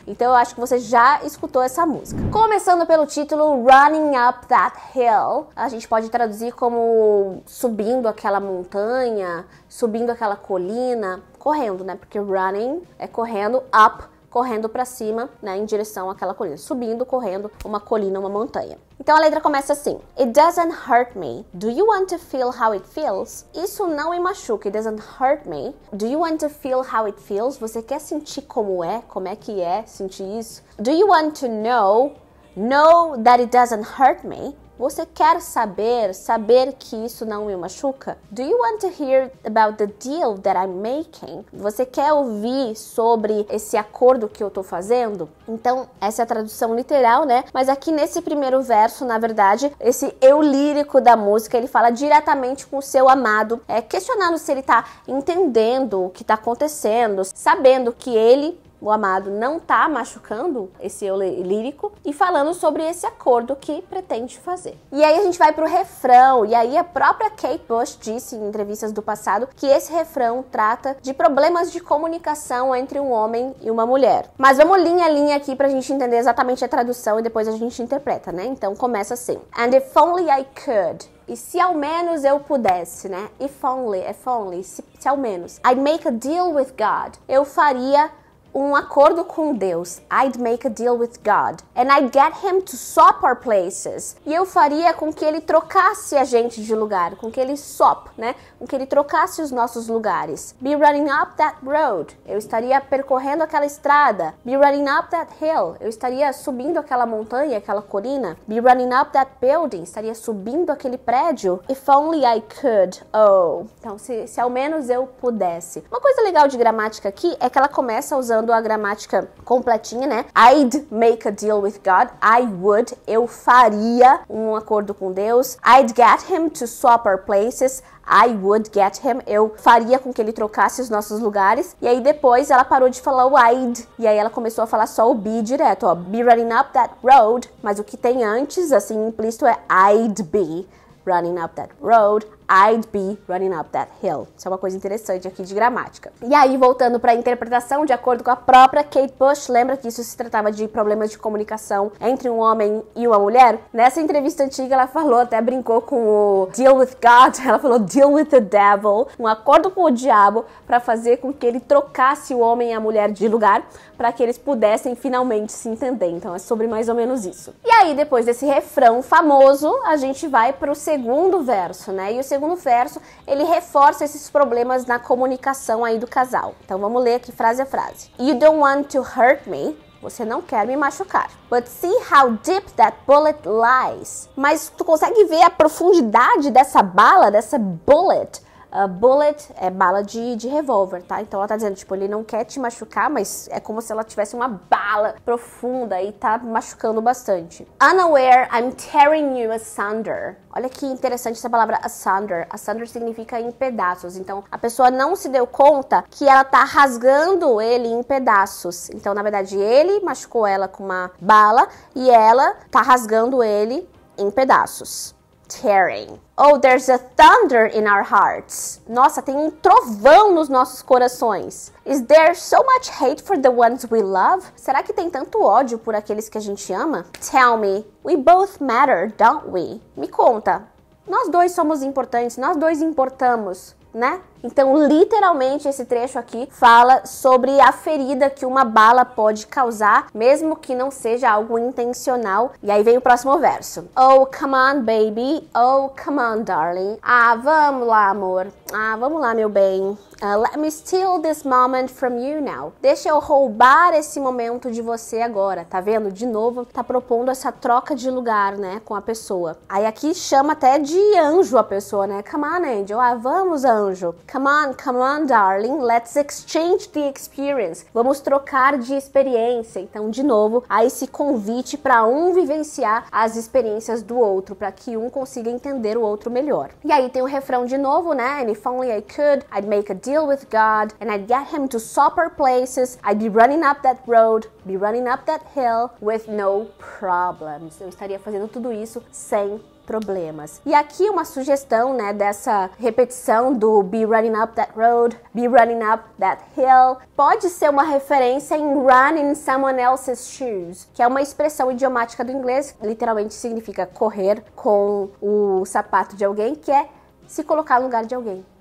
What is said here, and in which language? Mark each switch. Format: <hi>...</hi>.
<pt>Então eu acho que você já escutou essa música. Começando pelo título, Running Up That Hill, a gente pode traduzir como subindo aquela montanha, subindo aquela colina, correndo, né? Porque running é correndo, up, correndo pra cima, né? Em direção àquela colina, subindo, correndo, uma colina, uma montanha. Então a letra começa assim:</pt> <en>It doesn't hurt me. Do you want to feel how it feels?</en> <pt>Isso não me machuca.</pt> <en>It doesn't hurt me. Do you want to feel how it feels?</en> <pt>Você quer sentir como é? Como é que é sentir isso?</pt> <en>Do you want to know? Know that it doesn't hurt me.</en> <pt>Você quer saber que isso não me machuca?</pt> <en>Do you want to hear about the deal that I'm making?</en> <pt>Você quer ouvir sobre esse acordo que eu tô fazendo? Então, essa é a tradução literal, né? Mas aqui nesse primeiro verso, na verdade, esse eu lírico da música, ele fala diretamente com o seu amado, questionando se ele tá entendendo o que tá acontecendo, sabendo que ele, o amado, não tá machucando esse eu lírico e falando sobre esse acordo que pretende fazer. E aí a gente vai pro refrão, e aí a própria Kate Bush disse em entrevistas do passado que esse refrão trata de problemas de comunicação entre um homem e uma mulher. Mas vamos linha a linha aqui pra gente entender exatamente a tradução e depois a gente interpreta, né? Então começa assim:</pt> <en>And if only I could.</en> <pt>E se ao menos eu pudesse, né?</pt> <en>If only, if only,</en> <pt>se ao menos.</pt> <en>I'd make a deal with God.</en> <pt>Eu faria um acordo com Deus.</pt> <en>I'd make a deal with God. And I'd get him to swap our places.</en> <pt>E eu faria com que ele trocasse a gente de lugar. Com que ele swap, né? Com que ele trocasse os nossos lugares.</pt> <en>Be running up that road.</en> <pt>Eu estaria percorrendo aquela estrada.</pt> <en>Be running up that hill.</en> <pt>Eu estaria subindo aquela montanha, aquela colina.</pt> <en>Be running up that building.</en> <pt>Estaria subindo aquele prédio.</pt> <en>If only I could. Oh.</en> <pt>Então, se ao menos eu pudesse. Uma coisa legal de gramática aqui é que ela começa a usar a gramática completinha, né?</pt> <en>I'd make a deal with God. I would.</en> <pt>Eu faria um acordo com Deus.</pt> <en>I'd get him to swap our places. I would get him.</en> <pt>Eu faria com que ele trocasse os nossos lugares. E aí depois ela parou de falar o I'd. E aí ela começou a falar só o be direto, ó.</pt> <en>Be running up that road.</en> <pt>Mas o que tem antes, assim, implícito, é</pt> <en>I'd be running up that road, I'd be running up that hill.</en> <pt>Isso é uma coisa interessante aqui de gramática. E aí, voltando para a interpretação, de acordo com a própria Kate Bush, lembra que isso se tratava de problemas de comunicação entre um homem e uma mulher? Nessa entrevista antiga, ela falou, até brincou com o</pt> <en>deal with God,</en> <pt>ela falou</pt> <en>deal with the devil,</en> <pt>um acordo com o diabo para fazer com que ele trocasse o homem e a mulher de lugar para que eles pudessem finalmente se entender. Então, é sobre mais ou menos isso. E aí, depois desse refrão famoso, a gente vai para o segundo verso, né? E o segundo verso, ele reforça esses problemas na comunicação aí do casal. Então vamos ler aqui frase a frase.</pt> <en>You don't want to hurt me.</en> <pt>Você não quer me machucar.</pt> <en>But see how deep that bullet lies.</en> <pt>Mas tu consegue ver a profundidade dessa bala, dessa bullet? A bullet é bala de revólver, tá? Então ela tá dizendo, tipo, ele não quer te machucar, mas é como se ela tivesse uma bala profunda e tá machucando bastante.</pt> <en>Unaware, I'm tearing you asunder.</en> <pt>Olha que interessante essa palavra asunder. Asunder significa em pedaços. Então, a pessoa não se deu conta que ela tá rasgando ele em pedaços. Então, na verdade, ele machucou ela com uma bala e ela tá rasgando ele em pedaços.</pt> <en>Tearing. Oh, there's a thunder in our hearts.</en> <pt>Nossa, tem um trovão nos nossos corações.</pt> <en>Is there so much hate for the ones we love?</en> <pt>Será que tem tanto ódio por aqueles que a gente ama?</pt> <en>Tell me, we both matter, don't we?</en> <pt>Me conta. Nós dois somos importantes, nós dois importamos, né? Então, literalmente, esse trecho aqui fala sobre a ferida que uma bala pode causar, mesmo que não seja algo intencional. E aí vem o próximo verso.</pt> <en>Oh, come on, baby. Oh, come on, darling.</en> <pt>Ah, vamos lá, amor. Ah, vamos lá, meu bem.</pt> <en>Let me steal this moment from you now.</en> <pt>Deixa eu roubar esse momento de você agora. Tá vendo? De novo, tá propondo essa troca de lugar, né? Com a pessoa. Aí aqui chama até de anjo a pessoa, né?</pt> <en>Come on, angel.</en> <pt>Ah, vamos, anjo.</pt> <en>Come on, darling. Let's exchange the experience.</en> <pt>Vamos trocar de experiência. Então, de novo, há esse convite pra um vivenciar as experiências do outro, pra que um consiga entender o outro melhor. E aí tem o refrão de novo, né?</pt> <en>And if only I could, I'd make a deal with God, and I'd get him to supper places, I'd be running up that road, be running up that hill with no problems.</en> <pt>Eu estaria fazendo tudo isso sem problemas. E aqui uma sugestão, né, dessa repetição do</pt> <en>be running up that road, be running up that hill,</en> <pt>pode ser uma referência em</pt> <en>run in someone else's shoes,</en> <pt>que é uma expressão idiomática do inglês, literalmente significa correr com o sapato de alguém, que é se colocar no lugar de alguém.</pt>